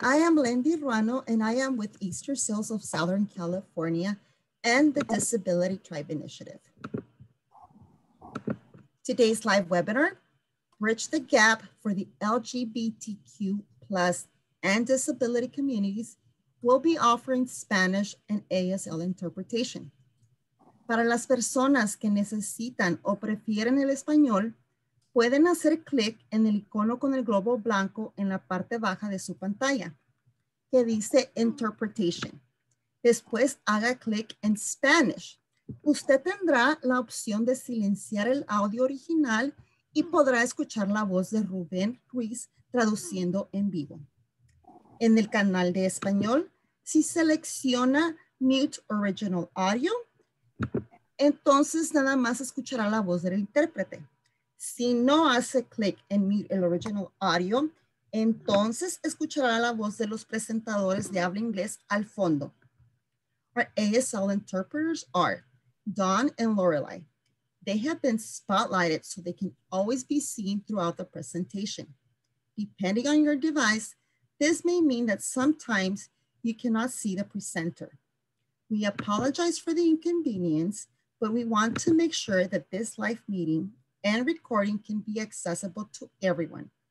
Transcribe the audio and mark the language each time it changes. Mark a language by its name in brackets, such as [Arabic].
[English] I am Lendy Ruano, and I am with Easter Sales of Southern California and the Disability Tribe Initiative. Today's live webinar, Bridge the Gap for the LGBTQ plus and disability communities, will be offering Spanish and ASL interpretation. [Spanish] Para las personas que necesitan o prefieren el español, pueden hacer clic en el icono con el globo blanco en la parte baja de su pantalla, que dice Interpretation. Después haga clic en Spanish. Usted tendrá la opción de silenciar el audio original y podrá escuchar la voz de Rubén Ruiz traduciendo en vivo. En el canal de español, si selecciona [English] Mute Original Audio, [Spanish] entonces nada más escuchará la voz del intérprete. Si no hace clic en Mute el [English] Original Audio, [Spanish] entonces escuchará la voz de los presentadores de habla inglés al fondo. [English] Our ASL interpreters are Don and Lorelei. They have been spotlighted so they can always be seen throughout the presentation. Depending on your device, this may mean that sometimes you cannot see the presenter. We apologize for the inconvenience, but we want to make sure that this live meeting and recording can be accessible to everyone.